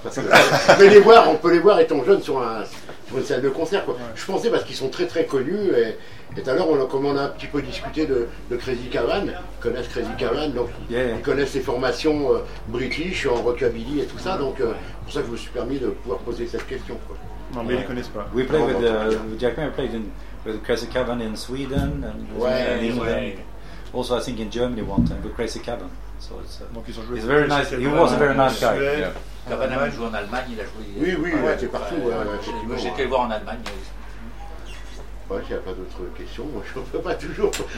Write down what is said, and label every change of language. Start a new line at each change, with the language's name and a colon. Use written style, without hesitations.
French: Parce que, mais les voir, on peut les voir étant jeunes sur une salle de concert, quoi. Ouais. Je pensais parce qu'ils sont très très connus. Et tout à l'heure, comme on a un petit peu discuté de Crazy Caravan, ils connaissent Crazy Caravan, donc
English: yeah,
French: ils connaissent les formations british en rockabilly et tout ça. Ouais. Donc, pour ça que je me suis permis de pouvoir poser cette question, quoi. Non, mais ils ne connaissent pas.
English: We play with Jack Paymer played with Crazy Caravan in Sweden and
French: ouais,
English: in England.
French: Ouais.
English: also I think in Germany one time with Crazy Cabin. So it's he's very nice. He was a very nice guy.
French: Cabin a joué en Allemagne, il a joué. Oui, oui, ouais, t'es partout. Moi j'étais le voir en Allemagne. Bah, s'il n'y a pas d'autres questions, moi je ne peux pas toujours.